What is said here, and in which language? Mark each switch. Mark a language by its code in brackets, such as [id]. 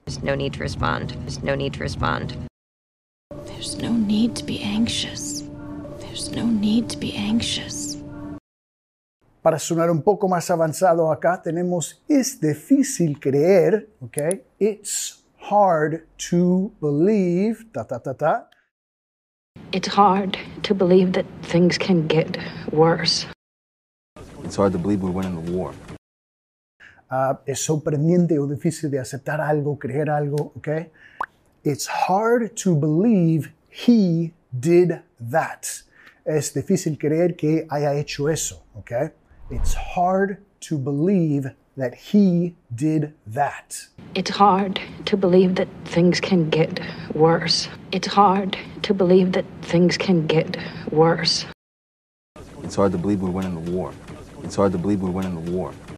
[en] There's no need to respond. There's no need to respond. There's no need to be anxious. There's no need to be anxious. [es] Para sonar un poco más avanzado acá, tenemos es difícil creer, okay? [en] It's hard to believe, ta ta ta ta. It's hard to believe that things can get worse. It's hard to believe we're winning the war. [es] Es sorprendente o difícil de aceptar algo, creer algo, okay? [en] It's hard to believe he did that. [es] Es difícil creer que haya hecho eso, okay? [en] It's hard to believe that he did that. It's hard to believe that things can get worse. It's hard to believe that things can get worse. It's hard to believe we're winning the war. It's hard to believe we're winning the war.